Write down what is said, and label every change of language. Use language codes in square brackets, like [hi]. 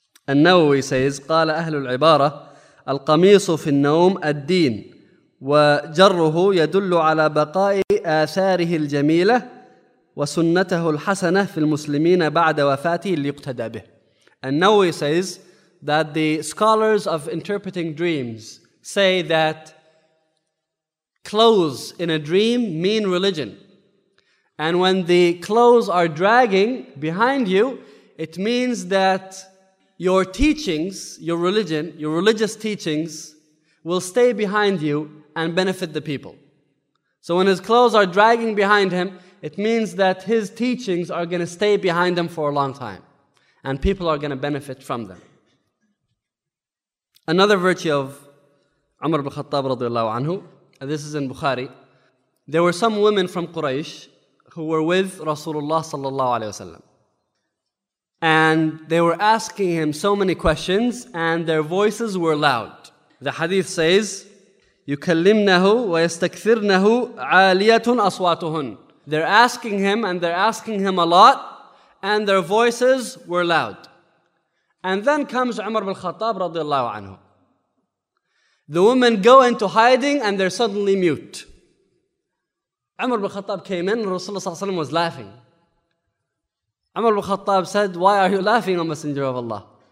[ar] النووي says, قال أهل العبارة القميص في النوم الدين وجره يدل على بقاء آثاره الجميلة وسنته الحسنة في المسلمين بعد وفاته ليقتدى به. [en] النووي says that the scholars of interpreting dreams say that clothes in a dream mean religion. And when the clothes are dragging behind you, it means that your teachings, your religion, your religious teachings will stay behind you and benefit the people. So when his clothes are dragging behind him, it means that his teachings are going to stay behind him for a long time. And people are going to benefit from them. Another virtue of Umar ibn Khattab رضي الله عنه, this is in Bukhari. There were some women from Quraysh who were with Rasulullah sallallahu alayhi wasallam. And they were asking him so many questions and their voices were loud. The hadith says, [ar] يُكَلِّمْنَهُ وَيَسْتَكْثِرْنَهُ عَالِيَةٌ أَصْوَاتُهُنْ. [en] They're asking him and they're asking him a lot and their voices were loud. And then comes Umar ibn Khattab رضي الله عنه. The women go into hiding and they're suddenly mute. Umar ibn Khattab came in and Rasulullah صلى الله عليه وسلم was laughing. Umar ibn Khattab said, why are you laughing, O Messenger of Allah?